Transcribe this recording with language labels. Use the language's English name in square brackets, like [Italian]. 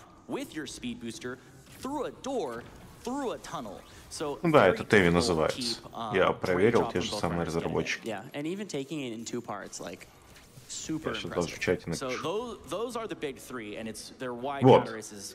[English] With your speed booster through a door, through a tunnel. [Russian] So да, это Теви называется. Я проверил, те же самые разработчики. [English] Yeah, and even taking it in two parts, like super impressive. So those are the big three, and it's their wide radius is.